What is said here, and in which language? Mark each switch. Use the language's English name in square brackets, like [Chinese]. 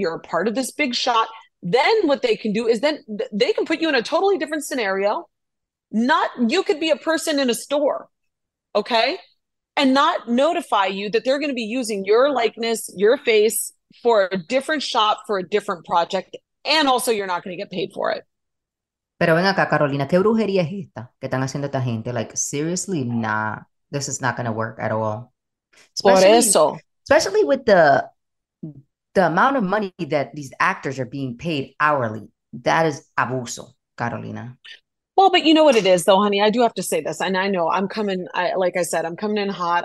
[English] You're a part of this big shot. Then what they can do is then they can put you in a totally different scenario. Not you could be a person in a store, okay? And not notify you that they're going to be using your likeness, your face for a different shop, for a different project. And also you're not going to get paid for it. [Spanish] Pero ven acá, Carolina, ¿qué brujería es esta que están haciendo esta gente? [English] Like, seriously, nah, this is not going to work at all. Especially, [Spanish] por eso. [English] Especially with the amount of money that these actors are being paid hourly, that is abuso, Carolina. Well, but you know what it is though, honey, I do have to say this. And I know I'm coming, like I said, I'm coming in hot.